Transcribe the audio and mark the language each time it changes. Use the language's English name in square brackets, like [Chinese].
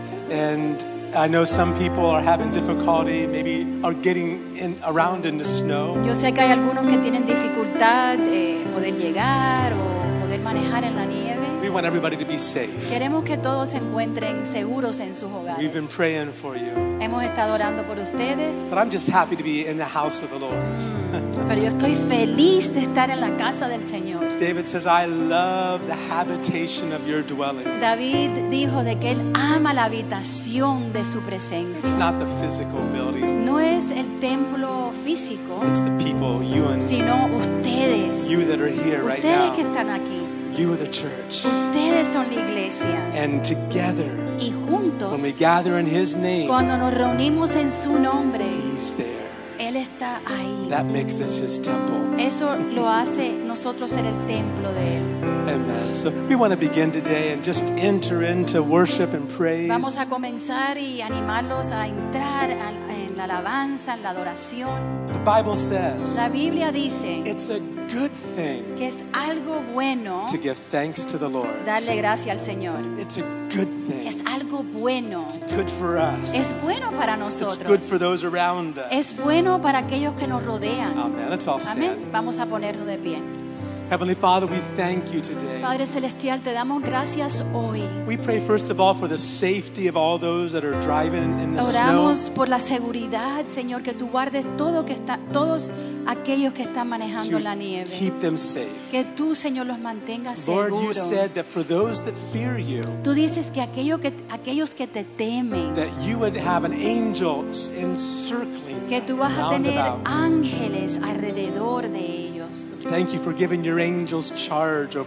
[English] And I know some people are having difficulty, maybe are getting in, around in the snow. [Spanish] Yo sé que hay algunos que tienen dificultad de poder llegar o poder manejar en la nieve. [English] We want everybody to be safe. [Spanish] Queremos que todos se encuentren seguros en sus hogares. [English] We've been praying for you. [Spanish] Hemos estado orando por ustedes. [English] But I'm just happy to be in the house of the Lord. [Spanish] Pero yo estoy feliz de estar en la casa del Señor. [English] David says, "I love the habitation of your dwelling." [Spanish] David dijo de que él ama la habitación de su presencia. [English] It's not the physical building. [Spanish] No es el templo físico. [English] It's the people, you and [Spanish] sino ustedes. [English] You that are here right now. [Spanish] Ustedes que están aquí. [English] You are the church. [Spanish] Ustedes son la iglesia. [English] And together, [Spanish] y juntos, [English] when we gather in His name, [Spanish] cuando nos reunimos en su nombre, [English] He's there. [Spanish] Él está ahí. [English] That makes us His temple. [Spanish] Eso lo hace nosotros ser el templo de Él. [English] Amen. So we want to begin today and just enter into worship and praise. [Spanish] Vamos a comenzar y animarlos a entrar en la alabanza, en la adoración. [English] The Bible says. [Spanish] La Biblia dice. [English] It's a good thing. [Spanish] Que es algo bueno. [English] To give thanks to the Lord. [Spanish] Darle gracias al Señor. [English] It's a good thing. [Spanish] Es algo bueno. [English] It's good for us. [Spanish] Es bueno para nosotros. [English] It's good for those around us. [Spanish] Es bueno para aquellos que nos rodean. [English] Amen. Let's all stand. [Spanish] Amén. Vamos a ponernos de pie. [English] Heavenly Father, we thank you today. [Spanish] Padre celestial, te damos gracias hoy. [English] We pray first of all for the safety of all those that are driving in the [Spanish] Oramos [English] snow. [Spanish] Oramos por la seguridad, Señor, que tú guardes todo que está todos aquellos que están manejando la nieve. [English] Keep them safe. [Spanish] Que tú, Señor, los mantengas seguros. [English] Lord, you said that for those that fear you. [Spanish] Tú dices que aquellos que te temen. [English] That you would have an angel encircling. [Spanish] Que tú vas a tener ángeles alrededor de ellos. [English] Thank you for giving your angels charge over